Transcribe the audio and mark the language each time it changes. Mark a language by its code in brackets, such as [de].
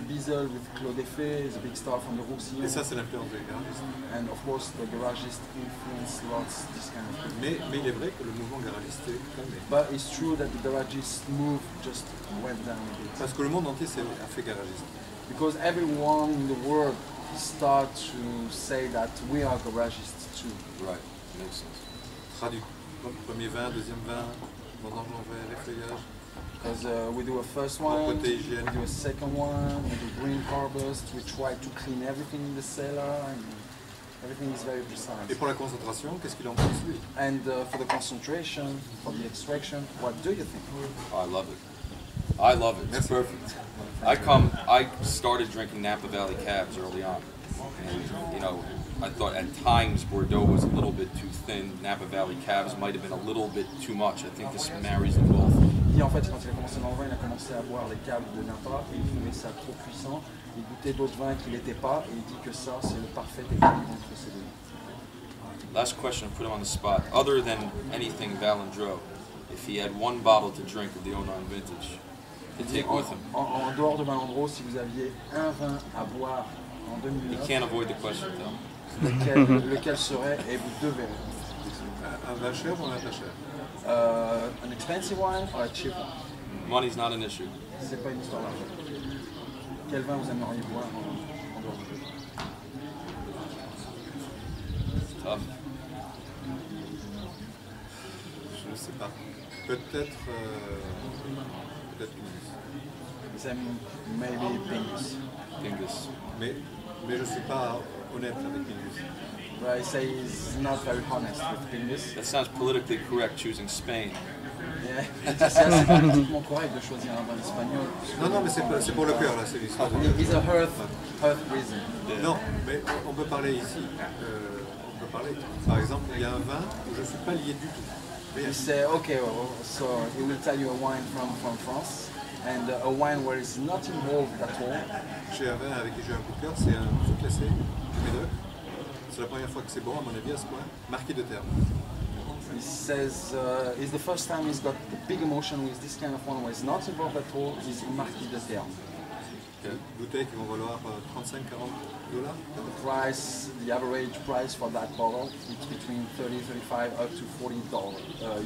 [en] Bizzle with Claude Effet, he's a big star from the Roussillon. [fr] Et ça, c'est l'influence des garagistes. [en] And of course, the garagist influence lots this kind of thing. [fr] Mais il est vrai que le mouvement garagiste est calmé. [en] But it's true that the garagist move just went down a bit. [fr] Parce que le monde entier s'est fait garagiste. [en] Because everyone in the world start to say that we are garagists too. Right. Makes sense. [fr] Traduit. Premier vin, deuxième vin, vendange, l'envers, les feuillages. [en] Because we do a first one, [fr] côté hygiène. [en] We do a second one, we do green harvest, we try to clean everything in the cellar, and everything is very precise. [fr] Et pour la concentration, qu'est-ce qu'il en pense lui? [en] And for the concentration, for the extraction, what do you think? I love it. I love it. It's perfect. I started drinking Napa Valley cabs early on. And, you know, I thought at times Bordeaux was a little bit too thin. Napa Valley cabs might have been a little bit too much. I think this marries them both. [fr] Et en fait, quand il a commencé dans le vin, il a commencé à boire les caves de Napa et il trouvait ça trop puissant. Il goûtait d'autres vins qu'il n'était pas et il dit que ça, c'est le parfait équilibre entre ces deux. [en] Last question, put him on the spot. Other than anything Valandraud, if he had one bottle to drink of the 09 vintage, he'd take with him. [fr] En dehors de Valandraud, si vous aviez un vin à boire en 2009, [en] he can't avoid the question, though. [fr] Lequel serait et vous devez le Un vin cher ou un pas cher? [en] An expensive wine or a cheap one? Money's not an issue. [fr] C'est pas une histoire d'argent. Quel vin vous aimeriez boire en dehors du jeu? [en] Tough. [fr] Je ne sais pas. Peut-être. Peut-être Pingus. Vous aimez maybe Pingus. Pingus. Mais je ne suis pas honnête avec Pingus. [en] But I say he's not very honest with Pingus. That sounds politically correct, choosing Spain. Yeah, it's not correct to choose a Spanish wine. No, but it's for the heart. It's a hearth reason. No, but we can talk here. For example, there's a wine where I'm not linked at all. You say, okay, well, so he will tell you a wine from France, and a wine where he's not involved at all. [fr] J'ai un vin avec qui j'ai un coup de cœur, c'est un tout classé, Médoc. C'est la première fois que c'est bon, à mon avis, à ce point. Marquis de Terme. [en] He says it's the first time he's got the big emotion with this kind of one where it's not involved at all, is Marquis de Terme. [fr] Bouteilles qui vont valoir 35-40 dollars. [en] The price, the average price for that bottle, it's between 30-35 up to $40.